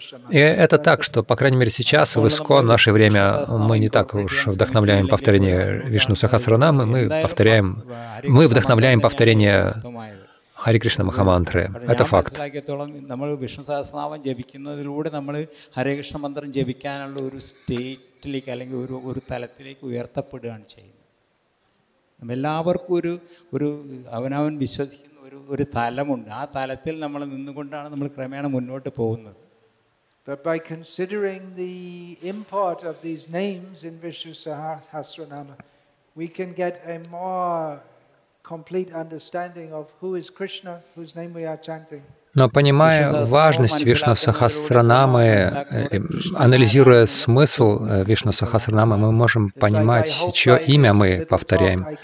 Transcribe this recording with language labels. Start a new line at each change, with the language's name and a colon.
Russian: И это так, что, по крайней мере, сейчас, в ИСККОН, в наше время, мы не так уж вдохновляем повторение Вишну Сахасранамы, мы вдохновляем повторение Hare Krishna Mahamantra. Это факт.
Malayalam: നമ്മൾ വിഷ്ണു സഹസ്രനാമം ജപിക്കുന്നതിലൂടെ നമ്മൾ ഹരേകൃഷ്ണ മന്ത്രം ജപിക്കാനുള്ള ഒരു സ്റ്റേറ്റിലേക്ക് അല്ലെങ്കിൽ ഒരു ഒരു തലത്തിലേക്ക് ഉയർത്തപ്പെടുകയാണ് ചെയ്യുന്നത്. നമ്മെല്ലാവർക്കും ഒരു ഒരു അവനവൻ വിശ്വസിക്കുന്ന ഒരു ഒരു തലമുണ്ട്. ആ തലത്തിൽ നമ്മൾ നിന്നുകൊണ്ടാണ് നമ്മൾ ക്രമേണ മുന്നോട്ട് പോകുന്നത്.
English: But by considering the import of these names in Vishnu Sahasranama, we can get a more complete understanding of who is Krishna, whose name we are chanting.
Russian: Но понимая важность Вишну Сахасранамы, анализируя смысл Вишну Сахасранамы, мы можем понимать, чье имя мы повторяем.